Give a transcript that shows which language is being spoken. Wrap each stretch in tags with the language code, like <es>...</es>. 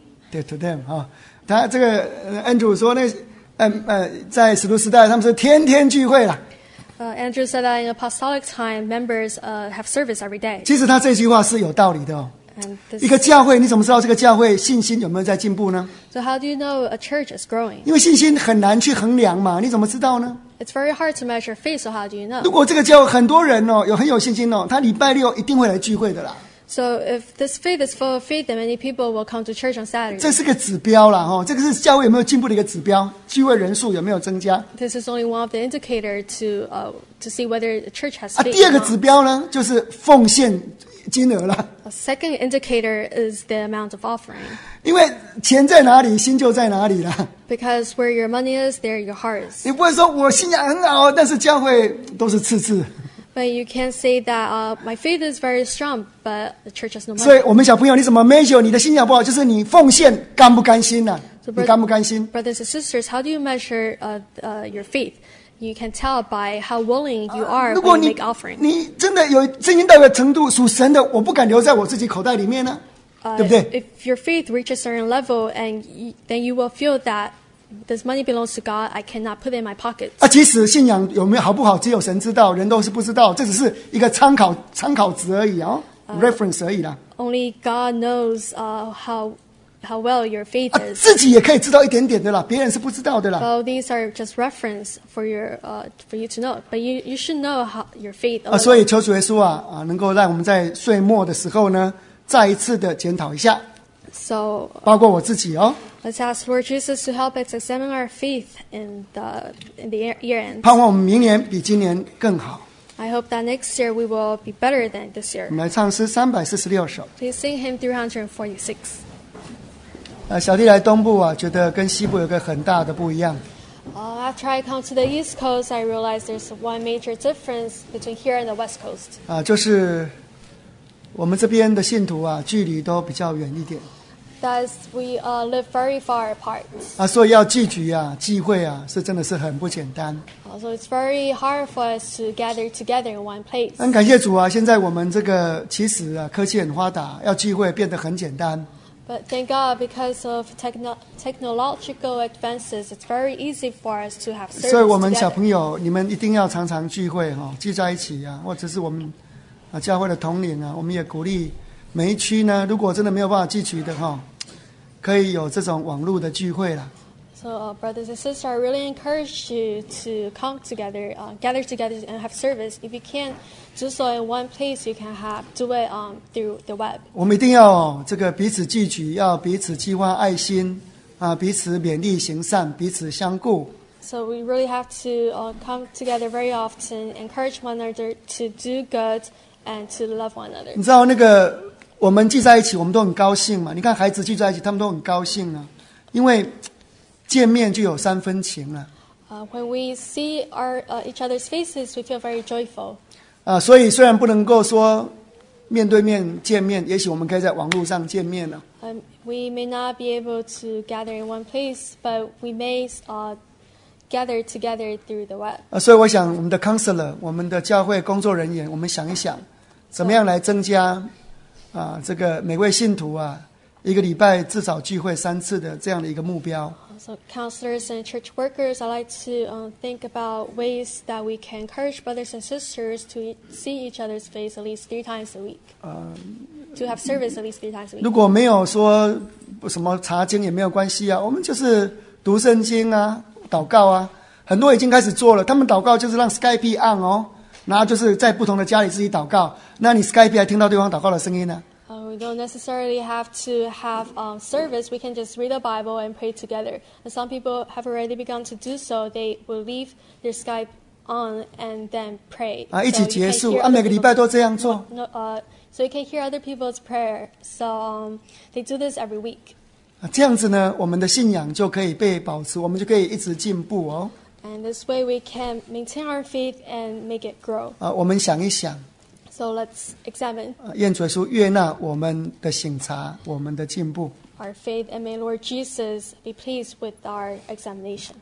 <zh>对 ，</zh> <en>to them</en> <zh>啊，他这个 Andrew 说那，在使徒时代他们是天天聚会了。</zh> <en>Andrew said that in apostolic time, members have service every day.</en> <zh>其实他这句话是有道理的、哦。一个教会，你怎么知道这个教会信心有没有在进步呢</zh> <en>？So how do you know a church is growing?</en> <zh>因为信心很难去衡量嘛，你怎么知道呢</zh> <en>？It's very hard to measure faith. So how do you know?</en> <zh>如果这个教会很多人哦，有很有信心哦，他礼拜六一定会来聚会的啦。</zh> <en>So if this faith is full of faith, then many people will come to church on Saturday.</en> <zh>这是个指标啦，这个是教会有没有进步的一个指标，聚会人数有没有增加。</zh> <en>This is only one of the indicators to see whether the church has faith.</en> <zh>啊，第二个指标呢，就是奉献金额了。</zh> <en>A second indicator is the amount of offering.</en> <zh>因为钱在哪里，心就在哪里啦。</zh> <en>Because where your money is, there your heart is.</en> <zh>你不会说我信仰很好，但是教会都是次次。</zh> <en>But you can't say that my faith is very strong, but the church has no money.</en> <zh>所以我们小朋友，你怎么 measure 你的信仰不好？就是你奉献甘不甘心呢、啊？</zh> <en>So、</en> <zh>你甘不甘心</zh> <en>？Brothers and sisters, how do you measure your faith? You can tell by how willing you are to make offering.</en> <zh>你真的有真心到一个程度属神的，我不敢留在我自己口袋里面呢、啊，对不对</zh> <en>？If your faith reaches a certain level, and then you will feel that this money belongs to God, I cannot put it in my pocket.</en> <zh>啊，即使信仰有没有好不好，只有神知道，人都是不知道。这只是一个参考值而已哦 reference 而已啦。</zh> <en>Only God knows how how well your faith is.</en> <zh>自己也可以知道一点点的啦，别人是不知道的啦。</zh> <en>Well, these are just reference for your, for you to know. But you should know how your faith.</en> <zh>所以求主耶稣啊，能够让我们在岁末的时候呢，再一次的检讨一下。</zh> <en>So,</en> <zh>包括我自己哦。</zh> <en>Let's ask Lord Jesus to help us examine our faith in the year end.</en> <zh>盼望我们明年比今年更好。</zh> <en>I hope that next year we will be better than this year.</en> <zh>我们来唱诗346首。</zh> <en>Please sing hymn 346.</en> <zh>小弟来东部啊，觉得跟西部有个很大的不一样。</zh> <en>After I come to the East Coast, I realize there's one major difference between here and the West Coast.</en> <zh>就是我们这边的信徒啊，距离都比较远一点。</zh> <en>That we live very far apart.</en> <zh>所以要聚聚啊，聚会啊，是真的是很不简单。</zh> <en>So it's very hard for us to gather together in one place.</en> <zh>很感谢主啊，现在我们这个其实啊，科技很发达，要聚会变得很简单。</zh> <en>But thank God, because of technological advances, it's very easy for us to have service.</en> <zh>所以我们小朋友，你们一定要常常聚会哈，聚在一起啊，或者是我们教会的同龄啊，我们也鼓励。每一区呢，如果真的没有办法聚群的哈，可以有这种网络的聚会啦。</zh> <en>So, brothers and sisters, I really encourage you to come together, gather together and have service. If you can't do so in one place, you can have do it through the web.</en> <zh>我们一定要这个彼此聚群，要彼此激发爱心啊，彼此勉励行善，彼此相顾。</zh> <en>So we really have to come together very often, encourage one another to do good and to love one another.</en> <zh>你知道那个？我们聚在一起，我们都很高兴嘛。你看孩子聚在一起，他们都很高兴啊，因为见面就有三分情了。</zh> <en>When we see our each other's faces, we feel very joyful.</en> <zh>所以虽然不能够说面对面见面，也许我们可以在网络上见面呢。</zh> <en>We may not be able to gather in one place, but we may gather together through the web.</en> <zh>所以我想我们的 counselor, 我们的教会工作人员，我们想一想，怎么样来增加。这个每位信徒啊，一个礼拜至少聚会三次的这样的一个目标。</zh> <en>So counselors and church workers, I like to think about ways that we can encourage brothers and sisters to see each other's face at least three times a week. To have service at least three times a week.</en> <zh>如果没有说什么查经也没有关系啊，我们就是读圣经啊，祷告啊，很多已经开始做了，他们祷告就是让 Skype on 哦。然后就是在不同的家里自己祷告，那你 Skype 还听到对方祷告的声音呢？</zh> <en>We don't necessarily have to have service. We can just read the Bible and pray together. And some people have already begun to do so. They will leave their Skype on and then pray.</en> <zh>一起结束啊，每个礼拜都这样做。</zh> <en>So you can hear other people's prayer. So they do this every week.</en> <zh>这样子呢，我们的信仰就可以被保持，我们就可以一直进步哦。</zh> <en>And this way, we can maintain our faith and make it grow.</en> <zh>我们想一想。</zh> <en>So let's examine.</en> <zh>愿主耶稣悦纳我们的省察，我们的进步。</zh> <en>Our faith, and may Lord Jesus be pleased with our examination.</en>